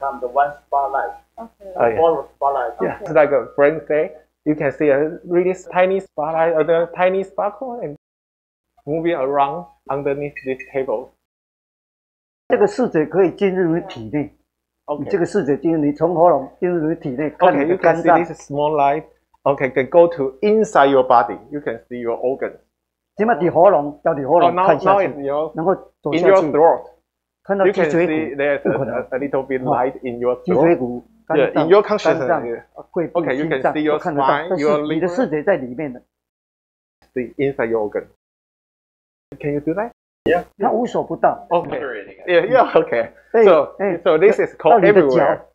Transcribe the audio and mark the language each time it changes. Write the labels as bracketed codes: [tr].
[en] So let the counter become the one spotlight. Okay. Ball of spotlight. Yeah. Okay. It's like a friend say, you can see a really tiny spotlight, or the tiny sparkle, and moving around underneath this table. [zh] 这个视觉可以进入你体内。 [en] Okay. [zh] 这个视觉进入你从喉咙进入你体内。 [en] Okay. You can see this small light. Okay. Can go to inside your body. You can see your organs. [zh] 起码在喉咙，到底喉咙看下去，能够走下去。 [en] In your throat. [zh] 看到脊椎骨 [en] you can see there's a little bit light in your throat. [zh] 脊椎骨 [en] yeah, in your consciousness. [zh] 肝脏 [en] okay, you can see your spine, your liver. [zh] 你的视觉在里面的。 [en] The inside your organ. Can you do that? Yeah. [zh] 它无所不到。 [en] Okay. Yeah, yeah, okay. So this is called everywhere.